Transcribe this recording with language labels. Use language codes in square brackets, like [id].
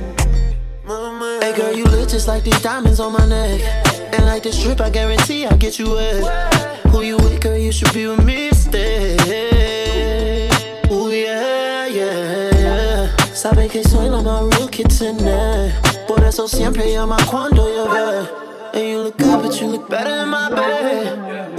[en] Hey girl, you look just like these diamonds on my neck. And like this trip, I guarantee I'll get you wet. Who you with, girl, you should be with me instead. Ooh, yeah, yeah, yeah. [es] Sabe que soy la más real que tiene. Por eso siempre llama cuando llueve. [en] And you look good, but you look better in my bed.